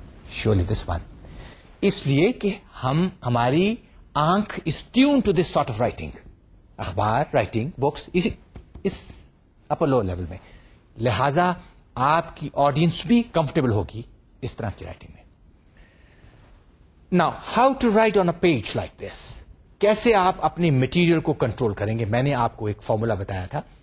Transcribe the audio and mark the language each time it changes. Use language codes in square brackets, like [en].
[en] Surely this one. [ur] اس لیے کہ ہم ہماری آنکھ [en] is tuned to this sort of writing. [ur] اخبار writing, books اس [en] upper lower level [ur] میں. لہذا آپ کی audience بھی comfortable ہوگی اس طرح کی writing میں. [en] Now, how to write on a page like this? [ur] کیسے آپ اپنی material کو control کریں گے؟ میں نے آپ کو ایک formula بتایا تھا.